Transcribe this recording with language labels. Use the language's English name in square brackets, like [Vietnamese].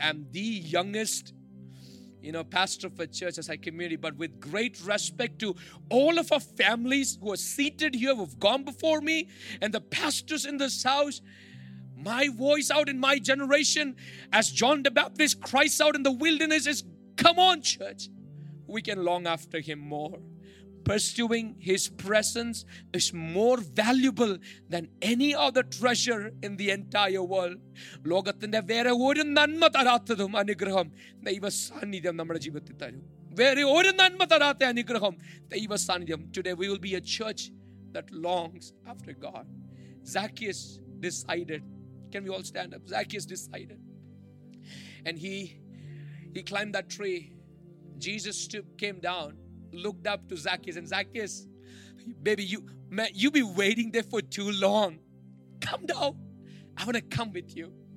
[English] I'm the youngest, you know, pastor of a church as a community, but with great respect to all of our families who are seated here, who have gone before me, and the pastors in this house, my voice out in my generation, as John the Baptist cries out in the wilderness, is, come on, church, we can long after him more. pursuing His presence is more valuable than any other treasure in the entire world. [Malayalam] ലോകത്തിന്റെ വേറെ ഒരു നന്മ തരാത്തതും അനുഗ്രഹം ദൈവ സാന്നിധ്യം നമ്മുടെ ജീവിതത്തിൽ തരും. വേറെ ഒരു നന്മ തരാത്ത അനുഗ്രഹം ദൈവ സാന്നിധ്യം. [English] Today we will be a church that longs after God. Zacchaeus decided. Can we all stand up? Zacchaeus decided. And he climbed that tree. Jesus stooped, came down, looked up to Zacchaeus, and Zacchaeus, baby, you be waiting there for too long. Come down. I want to come with you.